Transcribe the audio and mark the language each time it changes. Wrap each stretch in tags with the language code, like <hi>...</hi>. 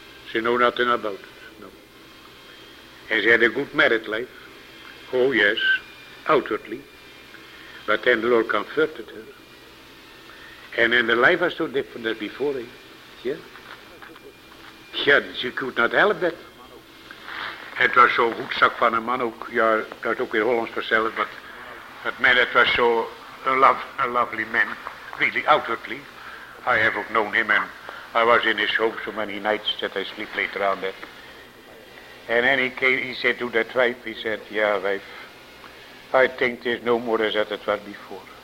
<en>She know nothing about it, no. And she had a good married life. Oh, yes, outwardly. But then the Lord converted her. And then the life was so different as before, eh? Yeah? Yeah, she could not help that.</en> <nl>Het was zo'n hoedzak van een man ook. Ja, dat is ook weer Hollands vanzelf, but het man, het was zo</nl> <en>a lovely man, really, outwardly. I have known him, and I was in his home so many nights that I sleep later on that. And then he said to that wife, he said, yeah, wife, I think there's no more as it was before.</en>